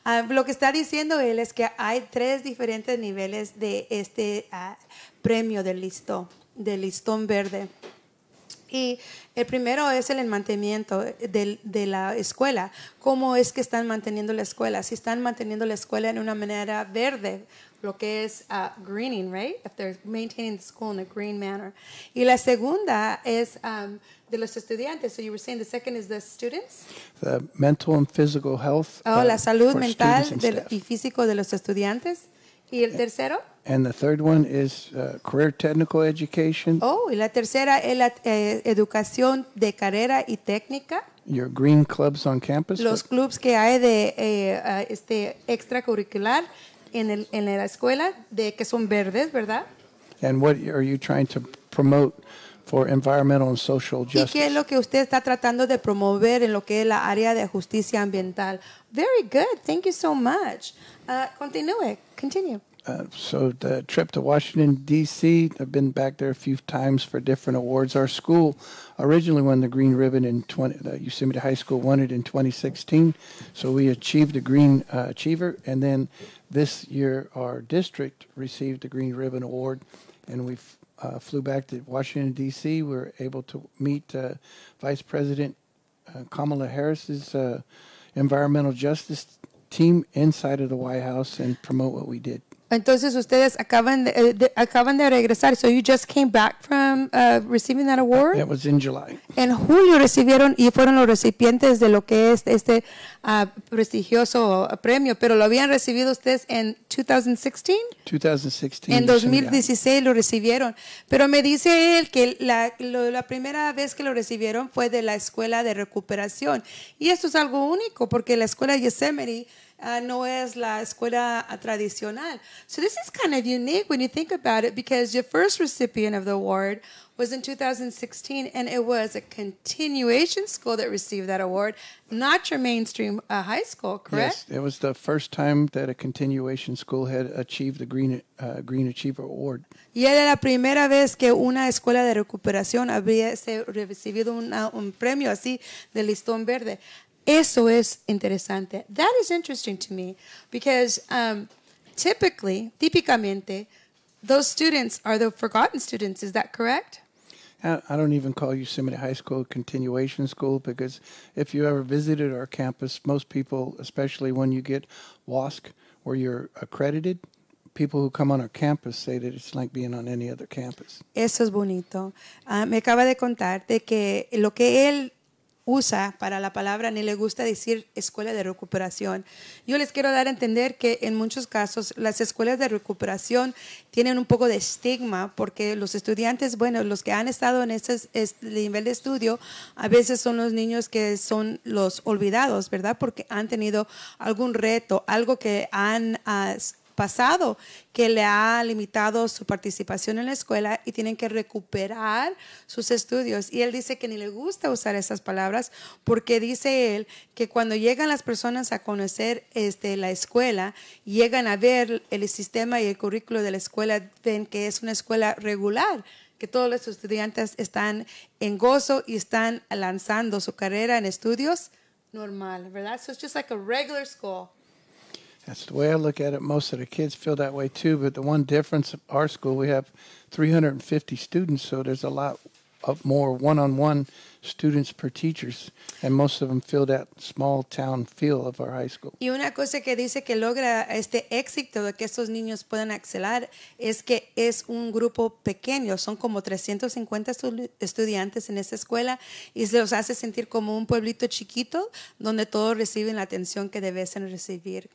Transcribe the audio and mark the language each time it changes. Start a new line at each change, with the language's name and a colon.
Spanish: Lo que está diciendo él es que hay tres diferentes niveles de este premio del listón verde. Y el primero es el mantenimiento de la escuela. ¿Cómo es que están manteniendo la escuela? Si están manteniendo la escuela en una manera verde, lo que es
English: greening, right? If they're maintaining the school in a green manner.
Spanish: Y la segunda es de los estudiantes.
English: So you were saying the second is the students? The mental and physical health.
Spanish: Oh, la salud mental y físico de los estudiantes. ¿Y el tercero?
English: And the third one is career technical education.
Spanish: Oh, y la tercera es la educación de carrera y técnica.
English: Your green clubs on campus.
Spanish: Los clubs que hay de extracurricular en la escuela, de que son verdes, ¿verdad?
English: And what are you trying to promote for environmental and social justice?
Spanish: ¿Y qué es lo que usted está tratando de promover en lo que es la área de justicia ambiental?
English: Very good. Thank you so much. Continue. So the trip to Washington, D.C., I've been back there a few times for different awards. Our school originally won the Green Ribbon in Yosemite High School won it in 2016. So we achieved a Green Achiever. And then this year, our district received the Green Ribbon Award. And we flew back to Washington, D.C. We were able to meet Vice President Kamala Harris's environmental justice team inside of the White House and promote what we did.
Spanish: Entonces ustedes acaban de regresar.
English: So you just came back from receiving that award? It was in July.
Spanish: En julio recibieron y fueron los recipientes de lo que es este prestigioso premio. Pero lo habían recibido ustedes en 2016? 2016. En 2016 lo recibieron. Pero me dice él que la primera vez que lo recibieron fue de la Escuela de Recuperación. Y esto es algo único porque la Escuela de Yosemite no es la escuela tradicional.
English: So this is kind of unique when you think about it because your first recipient of the award was in 2016 and it was a continuation school that received that award, not your mainstream high school, correct? Yes, it was the first time that a continuation school had achieved the Green Achiever Award.
Spanish: Y era la primera vez que una escuela de recuperación había recibido un premio así del listón verde. Eso es interesante.
English: That is interesting to me because típicamente, those students are the forgotten students. Is that correct? I don't even call Yosemite High School a continuation school because if you ever visited our campus, most people, especially when you get WASC, where you're accredited, people who come on our campus say that it's like being on any other campus.
Spanish: Eso es bonito. Me acaba de contar de que lo que él usa para la palabra, ni le gusta decir escuela de recuperación. Yo les quiero dar a entender que en muchos casos las escuelas de recuperación tienen un poco de estigma porque los estudiantes, bueno, los que han estado en este nivel de estudio, a veces son los niños que son los olvidados, ¿verdad? Porque han tenido algún reto, algo que han pasado que le ha limitado su participación en la escuela y tienen que recuperar sus estudios. Y él dice que ni le gusta usar esas palabras porque dice él que cuando llegan las personas a conocer la escuela, llegan a ver el sistema y el currículo de la escuela, ven que es una escuela regular, que todos los estudiantes están en gozo y están lanzando su carrera en estudios normal, ¿verdad?
English: So it's just like a regular school. That's the way I look at it. Most of the kids feel that way too. But the one difference of our school, we have 350 students, so there's a lot of more one-on-one students per teachers, and most of them feel that small town feel of our high school.
Spanish: Y una cosa que dice que logra este éxito de que estos niños puedan excelar es que es un grupo pequeño. Son como 350 estudiantes en esa escuela y se los hace sentir como un pueblito chiquito donde todos reciben la atención que debesen recibir.